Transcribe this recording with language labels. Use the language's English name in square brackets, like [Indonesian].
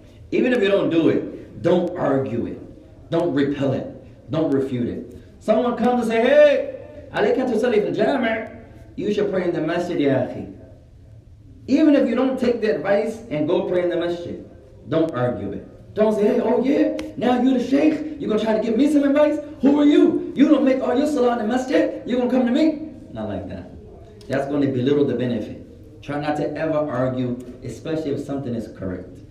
[English] Even if you don't do it, don't argue it. Don't repel it. Don't refute it. Someone comes and say, hey, [Arabic] عليك أن تصلي في الجامع. [English] You should pray in the masjid, [Arabic] يا أخي. [English] Even if you don't take the advice and go pray in the masjid, don't argue it. Don't say, hey, oh yeah, now you're the sheikh, you're going to try to give me some advice? Who are you? You don't make all your salah in the masjid, you're going to come to me? Not like that. That's going to belittle the benefit. Try not to ever argue, especially if something is correct.